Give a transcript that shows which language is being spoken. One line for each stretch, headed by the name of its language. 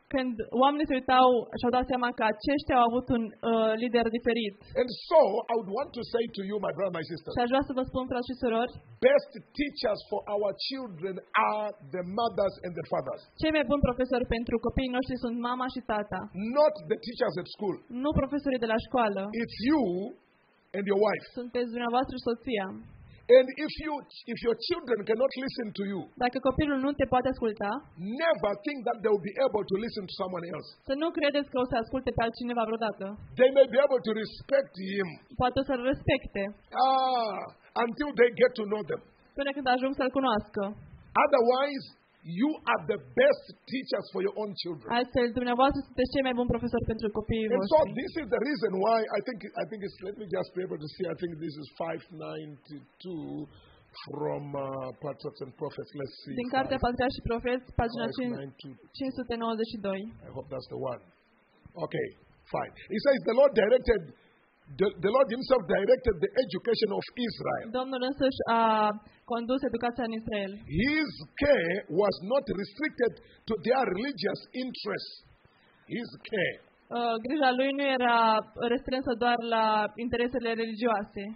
Romanian: Când oamenii se uitau și-au dat seama că aceștia au avut un lider diferit.
English: And so, I would want to say to you, my brother, my sister.
Romanian: Și aș vrea să vă spun, frați și surori.
English: Best teachers for our children are the mothers and the fathers.
Romanian: Cei mai buni profesori pentru copiii noștri sunt mama și tata.
English: Not the teachers at school.
Romanian: Nu profesorii de la școală.
English: It's you and your wife.
Romanian: Sunteți dumneavoastră și soția.
English: And if your children cannot listen to you,
Romanian: dacă copilul nu te poate asculta,
English: never think that they will be able to listen to someone else.
Romanian: Să nu credeți că o să asculte pe altcineva vreodată.
English: They may be able to respect him.
Romanian: Poate să-l respecte.
English: Until they get to know them.
Romanian: Până când ajung să-l cunoască.
English: Otherwise, you are the best teachers for your own children.
Romanian: Astfel, dumneavoastră sunteți cei mai buni profesori pentru copiii voștri.
English: And so this is the reason why I think it's, let me just be able to see, I think this is 592 from Patriarchs and Prophets. Let's see.
Romanian: Din cartea Patriarchi și Profeți, pagina 592.
English: I hope that's the one. Okay, fine. It says the Lord directed, the Lord himself directed the education of Israel.
Romanian: Domnul însuși a condus educația în Israel.
English: His care was not restricted to their religious interests. His care.
Romanian: Grija lui nu era restrânsă doar la interesele religioase.